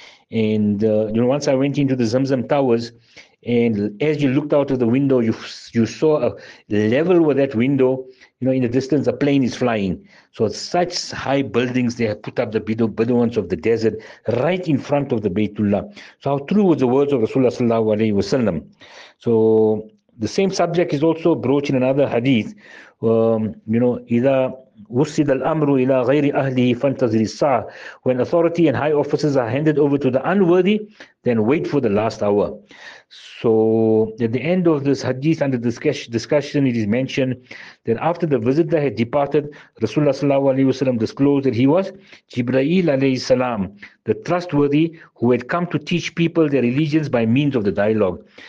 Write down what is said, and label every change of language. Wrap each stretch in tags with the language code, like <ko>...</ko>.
<en>And you know, once I went into the Zamzam Towers, and as you looked out of the window, you saw a level with that window, you know, in the distance, a plane is flying. So such high buildings, they have put up the Bedouins of the desert right in front of the Baytullah. So how true was the words of Rasulullah sallallahu alayhi wa sallam? So the same subject is also broached in another hadith. You know,</en> <ar>إِذَا وُسِّدَ الْأَمْرُ إِلَى غَيْرِ أَهْلِهِ فَانْتَظِرِ السَّاعَ.</ar> <en>When authority and high offices are handed over to the unworthy, then wait for the last hour. So at the end of this hadith under discussion, it is mentioned that after the visitor had departed, Rasulullah sallallahu alayhi wa sallam disclosed that he was Jibreel alayhi salam, the trustworthy who had come to teach people their religions by means of the dialogue.</en>